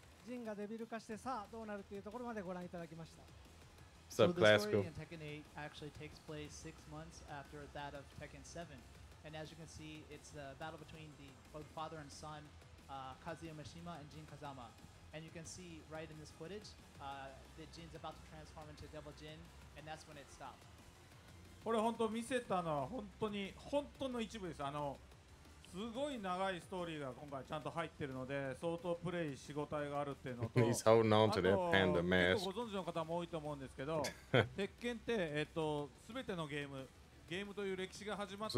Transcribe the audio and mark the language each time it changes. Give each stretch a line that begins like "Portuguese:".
Japanese: Majin がデビル化してさあどうなるっていうところまでご覧いただきました。
English: So the story in Tekken 8 actually takes place 6 months after that of Tekken 7. And as you can see, it's the battle between the both father and son, Kazuya Mishima and Jin Kazama. And you can see right in this footage, that Jin's about to transform into Devil Jin, and that's when it stopped.
Japanese: これ本当見せたのは本当に本当の一部です。すごい長いストーリーが今回ちゃんと入ってるので、相当プレイしごたえがあるっていうのと、
English: He's holding on to the panda mask.
Japanese: あとご存知の方も多いと思うんですけど、鉄拳ってすべてのゲームという歴史が始まって、